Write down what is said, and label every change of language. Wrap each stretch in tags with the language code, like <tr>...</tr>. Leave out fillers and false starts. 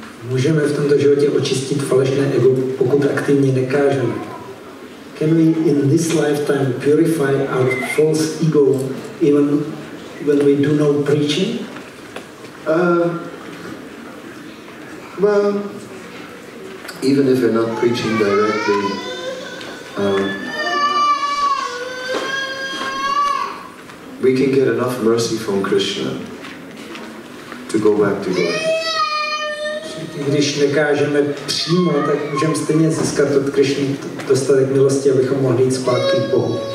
<cs>Můžeme v tomto životě očistit falešné ego, pokud aktivně nekážeme.</cs> <en>Can we in this lifetime purify our false ego even when we do no preaching? Well, even if we're not preaching directly, we can get enough mercy from Krishna to go back to God.</en> <cs>Když nekážeme přímo, tak můžeme stejně získat od Krishny dostatek milosti, abychom mohli jít zpátky k Bohu.</cs>